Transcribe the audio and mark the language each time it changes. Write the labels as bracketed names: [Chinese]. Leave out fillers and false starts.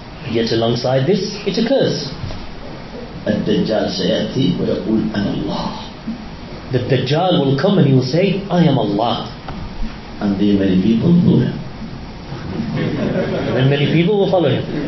[English] Yet alongside this, it occurs. [Arabic] الدجال سيأتي ويقول أنا الله. [English] The Dajjal will come and he will say, I am Allah. And then many people will follow him. And then many people will follow him.